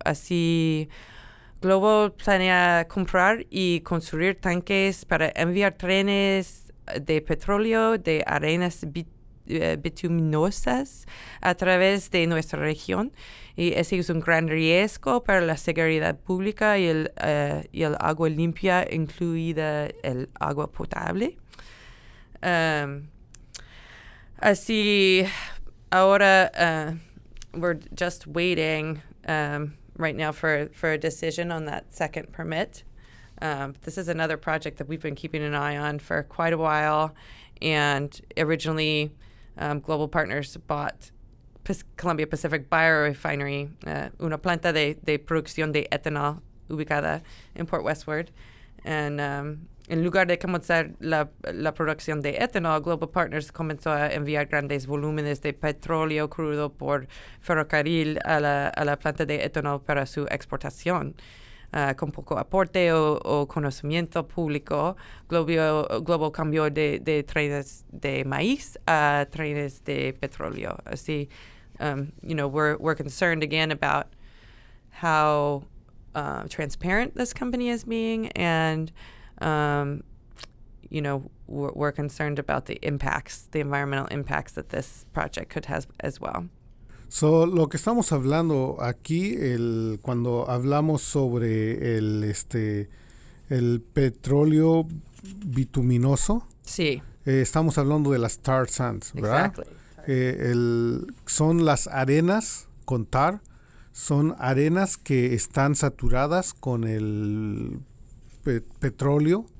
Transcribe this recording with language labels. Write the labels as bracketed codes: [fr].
[es] Así, Global planea comprar y construir tanques para enviar trenes de petróleo de arenas bituminosas a través de nuestra región. Y ese es un gran riesgo para la seguridad pública y el agua limpia, incluida el agua potable. Así, ahora, [en] we're just waiting right now for a decision on that second permit. This is another project that we've been keeping an eye on for quite a while. And originally, Global Partners bought Columbia Pacific Biorefinery, [es] una planta de producción de etanol ubicada en Port Westward. And en lugar de comenzar la producción de etanol, Global Partners comenzó a enviar grandes volúmenes de petróleo crudo por ferrocarril a la planta de etanol para su exportación. Con poco aporte o conocimiento público, Global cambió de trenes de maíz a trenes de petróleo. [en] Así, we're concerned again about how transparent this company is being, and we're concerned about the environmental impacts that this project could have as well. [es] So, lo que estamos hablando aquí, cuando hablamos sobre el petróleo bituminoso, sí, estamos hablando de las tar sands, ¿verdad? [en] Exactly. [es] Son las arenas con tar, son arenas que están saturadas con el petróleo,